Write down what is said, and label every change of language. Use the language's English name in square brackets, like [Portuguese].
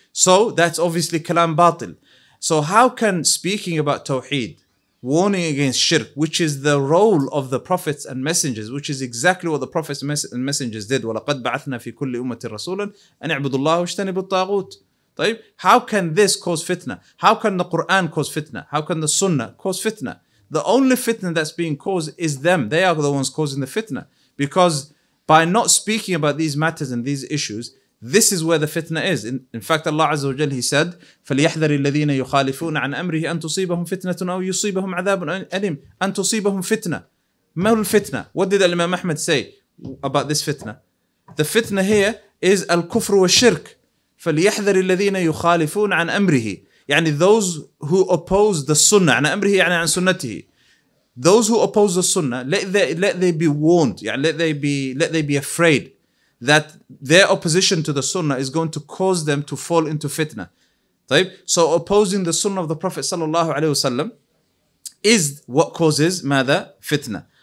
[English] So that's obviously kalam batil. So how can speaking about tawheed, warning against shirk, which is the role of the prophets and messengers, which is exactly what the prophets and messengers did, [Arabic] وَلَقَدْ بَعَثْنَا فِي كُلِّ أُمَّةٍ رَسُولًا أَنِعْبُدُ اللَّهُ وَاجْتَنِبُوا الطَّاغُوتِ طيب? [English] How can this cause fitna? How can the Quran cause fitna? How can the Sunnah cause fitna? The only fitna that's being caused is them. They are the ones causing the fitna. Because by not speaking about these matters and these issues, this is where the fitna is. In fact, Allah Azza wa Jal, He said, [Arabic] فَلْيَحْذَرِ الَّذِينَ يُخَالِفُونَ عَنْ أَمْرِهِ أَن تُصِيبَهُمْ فِتْنَةٌ أَوْ يُصِيبَهُمْ عَذَابٌ أَلِيمٌ أَن تُصِيبَهُمْ فِتْنَةٌ مَا الْفِتْنَةُ? [English] What did Imam Ahmad say about this fitna? The fitna here is [Arabic] الْكُفْرُ وَالشِّرْكُ فَلْيَحْذَرِ الَّذِينَ يُخَالِفُونَ عَنْ أَمْرِهِ يعني [English] those who oppose the sunnah [Arabic] عن أمره يعني عن سنته. [English] Those who oppose the sunnah, let they be warned, [Arabic] يعني [English] let they be afraid that their opposition to the sunnah is going to cause them to fall into fitna. [Arabic] طيب? [English] So opposing the sunnah of the Prophet صلى الله عليه وسلم is what causes [Arabic] ماذا? [English] Fitna.